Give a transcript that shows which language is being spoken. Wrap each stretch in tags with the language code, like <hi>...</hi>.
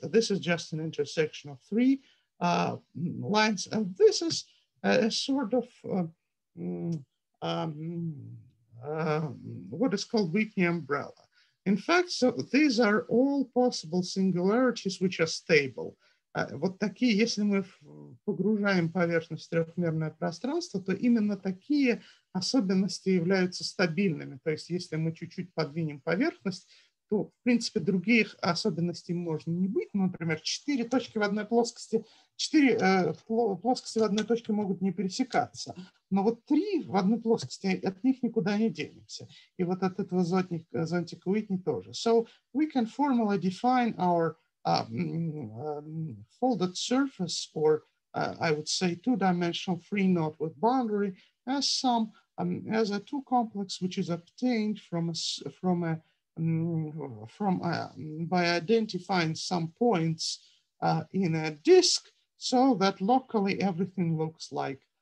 <en>This is just an intersection of three lines. And this is a sort of what is called Whitney umbrella. In fact, so these are all possible singularities which are stable.</en> <ru>Вот такие, если мы погружаем поверхность в трехмерное пространство, то именно такие особенности являются стабильными. То есть если мы чуть-чуть подвинем поверхность, то, в принципе, других особенностей можно не быть. Ну, например, четыре точки в одной плоскости, четыре плоскости в одной точке могут не пересекаться. Но вот три в одной плоскости, от них никуда не денемся. И вот от этого зонтика Уитни тоже.</ru> <en>So we can formally define our folded surface, or I would say two-dimensional free knot with boundary, as some as a two complex which is obtained by identifying some points in a disk, so that locally everything looks like</en>